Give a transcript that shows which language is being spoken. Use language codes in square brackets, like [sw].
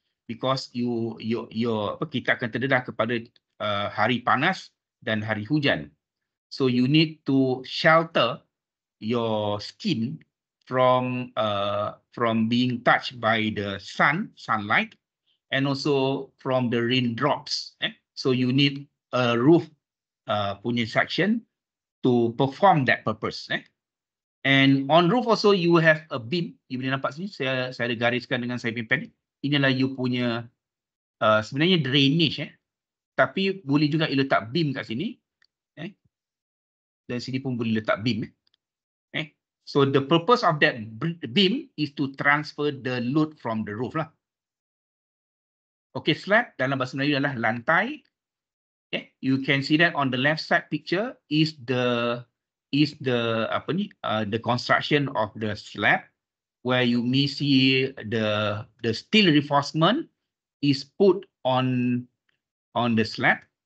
[en] Because [ms] kita akan terdedah kepada hari panas dan hari hujan, [en] so you need to shelter your skin from being touched by the sunlight and also from the rain drops, eh? So you need a roof punya section to perform that purpose, eh? And on roof also you have a beam. [ms] You boleh nampak sini. Saya ada gariskan dengan saya punya pen. Inilah you punya sebenarnya drainage. Eh? Tapi boleh juga you letak beam kat sini. Eh? Dan sini pun boleh letak beam. Eh? [en] So the purpose of that beam is to transfer the load from the roof lah. Okay, [ms] slab dalam bahasa Melayu adalah lantai. [en] Okay, you can see that on the left side picture is the construction of the slab, where you may see the steel reinforcement is put on the slab.